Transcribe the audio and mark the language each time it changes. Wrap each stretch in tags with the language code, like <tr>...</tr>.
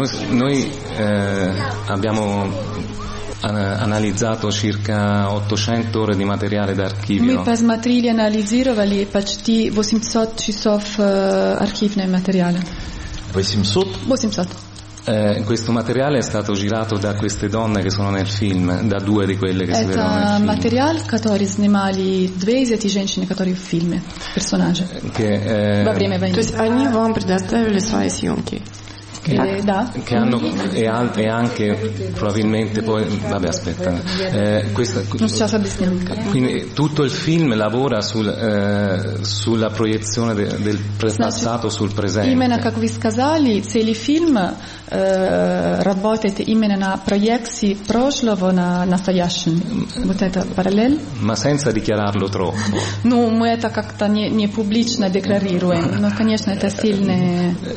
<ru>Мы</ru> <it>abbiamo analizzato circa 800 ore di materiale d'archivio.</it> <ru>Мы посмотрели, анализировали почти 800 часов архивного материала. 800? 800.</ru> <it>Questo materiale è stato girato da queste donne che sono nel film, da due di quelle che si vedono nel film.</it> <ru>Это материал, который снимали две из этих женщин, которые в фильме, персонажи. Во время войны. То есть они вам предоставили свои съемки.</ru> <it>Che hanno e altre anche probabilmente poi vabbè aspetta questa quindi tutto il film lavora sulla proiezione del passato sul presente.</it> <ru>Именно как вы сказали, целый фильм работает именно на проекции прошлого на настоящем. Вот это параллель.</ru> <it>Ma senza dichiararlo troppo.</it> <ru>Ну мы это как-то не публично декларируем, но конечно это сильный.</ru>